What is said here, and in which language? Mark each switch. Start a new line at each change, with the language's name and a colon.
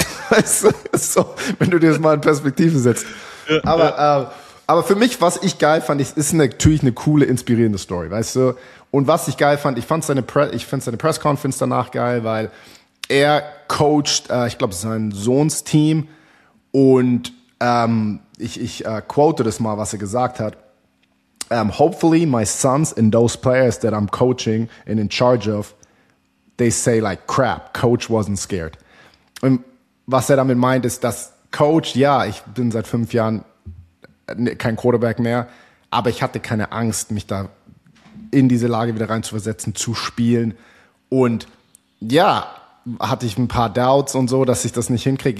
German: Weißt du, so, wenn du dir das mal in Perspektive setzt. Ja, aber für mich, was ich geil fand, ist natürlich eine coole, inspirierende Story, weißt du? Und was ich geil fand, ich fand seine Press-Conference danach geil, weil er coacht, ich glaube, sein Sohns Team und ich quote das mal, was er gesagt hat.
English: Hopefully my sons and those players that I'm coaching and in charge of, they say like, crap, coach wasn't scared.
German: Und was er damit meint, ist, dass Coach, ja, ich bin seit 5 Jahren kein Quarterback mehr, aber ich hatte keine Angst, mich da in diese Lage wieder reinzuversetzen, zu spielen. Und ja, hatte ich ein paar Doubts und so, dass ich das nicht hinkriege.